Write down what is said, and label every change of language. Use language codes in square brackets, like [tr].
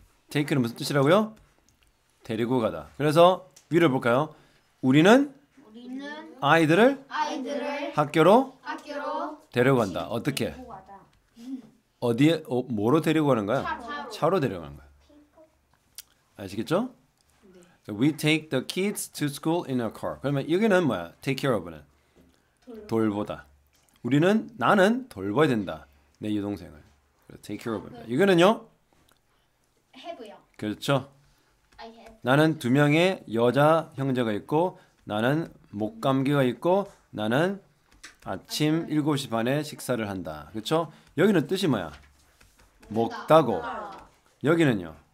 [ko] Take는 무슨 뜻이라고요? 데리고 가다. 그래서 위를 볼까요? 우리는 아이들을 학교로 데려간다. 어떻게? 어디에 뭐로 데리고 가는 거야? 차로 데려가는 거야. 아시겠죠? 네. [en] We take the kids to school in a car. [ko] 그러면 여기는 뭐야? Take care of는 돌보다. 나는 돌봐야 된다. 내 여동생을. 그래서 take care of입니다. 이거는요? Have요. 그렇죠. [en] I have. [ko] 나는 두 명의 여자 형제가 있고 나는 목 감기가 있고 나는 아침 7시 반에 식사를 한다. 그렇죠? 여기는 뜻이 뭐야? 먹다고. 여기는요?